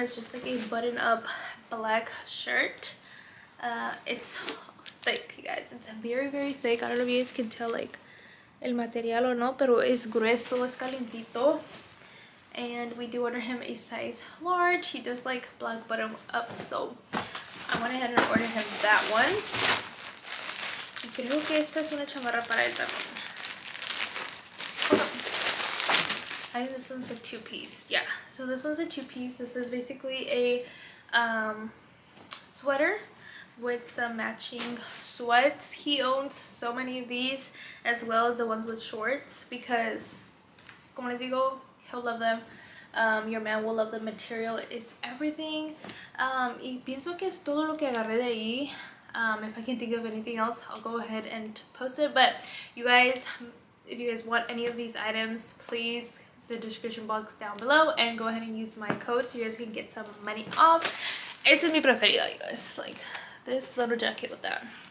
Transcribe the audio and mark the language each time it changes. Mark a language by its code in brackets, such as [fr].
[en] It's just like a button-up black shirt. It's thick, you guys. It's very, very thick. I don't know if you guys can tell like [es] el material [en] or no, [es] pero es grueso, es calientito. [en] And we do order him a size large. He does like black button-up, so I went ahead and ordered him that one. [es] Creo que esta es una chamarra para él también. [en] I think this one's a two-piece. Yeah, so this one's a two-piece. This is basically a sweater with some matching sweats. He owns so many of these, as well as the ones with shorts, because, [es] como les digo, [en] he'll love them. Your man will love the material. It's everything. [es] Y pienso que es todo lo que agarré de ahí. [en] If I can think of anything else, I'll go ahead and post it. But you guys, if you guys want any of these items, please, the description box down below, and go ahead and use my code so you guys can get some money off. [es] Este es mi preferida, [en] you guys. Like, this little jacket with that.